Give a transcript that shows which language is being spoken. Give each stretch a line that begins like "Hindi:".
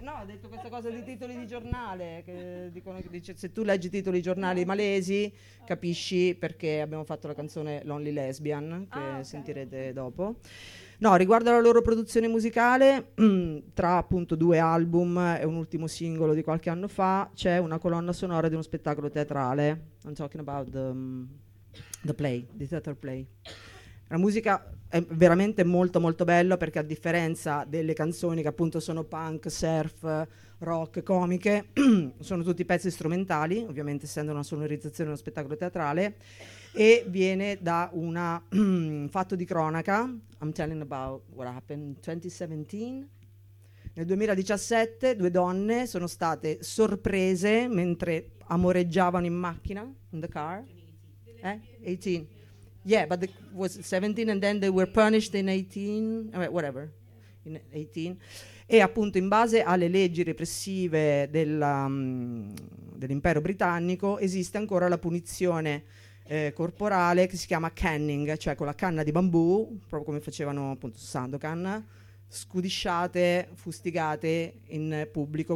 Italian: No, ha detto questa cosa dei titoli di giornale. Che dicono che dice, se tu leggi i titoli di giornale malesi, capisci perché abbiamo fatto la canzone Lonely Lesbian, che sentirete dopo. No, riguardo alla loro produzione musicale, tra appunto due album e un ultimo singolo di qualche anno fa, c'è una colonna sonora di uno spettacolo teatrale.
English: I'm talking about the play, the theater play.
Italian: La musica è veramente molto molto bella perché a differenza delle canzoni che appunto sono punk, surf, rock, comiche, sono tutti pezzi strumentali, ovviamente essendo una sonorizzazione, uno spettacolo teatrale, e viene da un fatto di cronaca,
English: I'm telling about what happened in 2017.
Italian: Nel 2017 due donne sono state sorprese mentre amoreggiavano in macchina,
English: in the car,
Italian: 18.
English: Yeah, but it was 17 and then they were punished in 18, whatever, in 18.
Italian: E appunto in base alle leggi repressive dell'impero britannico esiste ancora la punizione corporale che si chiama canning, cioè con la canna di bambù, proprio come facevano appunto Sandokan, scudisciate, fustigate in pubblico.